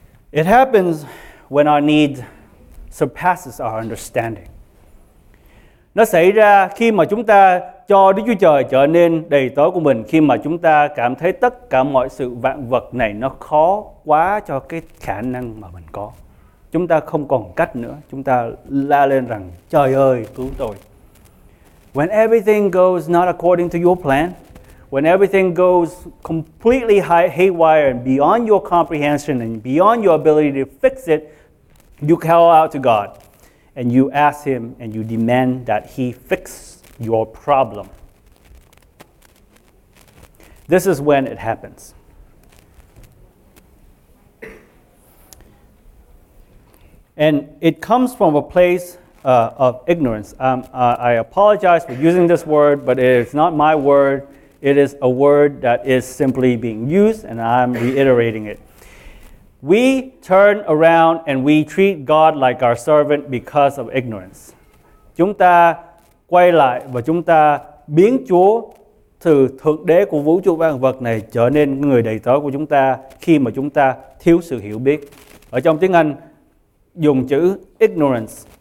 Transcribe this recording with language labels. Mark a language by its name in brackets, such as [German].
[English] It happens when our needs surpasses our understanding. [Vietnamese] Nó xảy ra khi mà chúng ta cho Đức Chúa Trời trở nên đầy tớ của mình, khi mà chúng ta cảm thấy tất cả mọi sự vạn vật này nó khó quá cho cái khả năng mà mình có. Chúng ta không còn cách nữa, chúng ta la lên rằng: Trời ơi, cứu tôi. [English] When everything goes not according to your plan, when everything goes completely haywire and beyond your comprehension and beyond your ability to fix it, you call out to God and you ask Him and you demand that He fix your problem. This is when it happens. And it comes from a place of ignorance. I apologize for using this word, but it is not my word. It is a word that is simply being used, and I'm reiterating it. We turn around and we treat God like our servant because of ignorance. [Vietnamese] Chúng ta quay lại và chúng ta biến Chúa từ thượng đế của vũ trụ vạn vật này trở nên người đầy tớ của chúng ta khi mà chúng ta thiếu sự hiểu biết. Ở trong tiếng Anh dùng chữ ignorance.